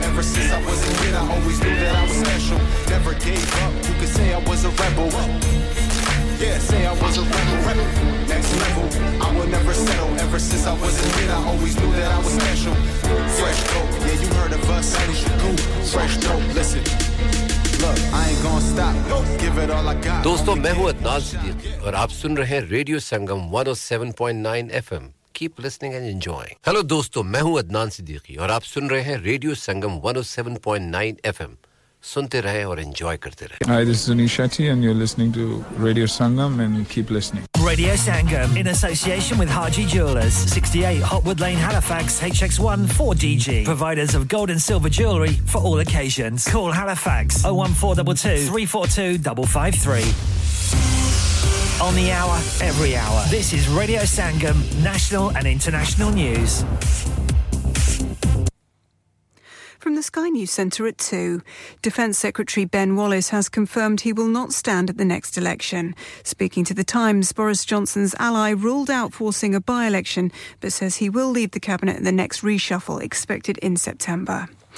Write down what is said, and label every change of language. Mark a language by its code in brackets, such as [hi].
[en] Ever since I was a kid, I always knew that I was special. Never gave up. You could say I was a rebel. Yeah, say I was a rebel. Rebel. Next level. I would never settle. Ever since I was a kid, I always knew that I was special. Fresh dope. Yeah, you heard of us. That is your goof. Fresh dope. Listen. [hi] दोस्तों मैं हूं अदनान सिद्दीक और आप सुन रहे हैं radio Sangam 107.9 FM [en] keep listening and enjoy [hi] hello दोस्तों मैं हूं अदनान सिद्दीकी और आप सुन रहे हैं रेडियो संगम 107.9 एफएम सुनते रहे और एंजॉय करते रहे [en] Hi this is Anish Shetty and you are listening to radio Sangam and keep listening radio Sangam in association with Haji jewellers 68 Hopwood lane Halifax HX1 4DG providers of gold and silver jewellery for all occasions call Halifax 01422 342553 on the hour every hour this is radio Sangam national and international news From the Sky News Centre at 2. Defence Secretary Ben Wallace has confirmed he will not stand at the next election. Speaking to The Times, Boris Johnson's ally ruled out forcing a by-election, but says he will leave the Cabinet in the next reshuffle, expected in September.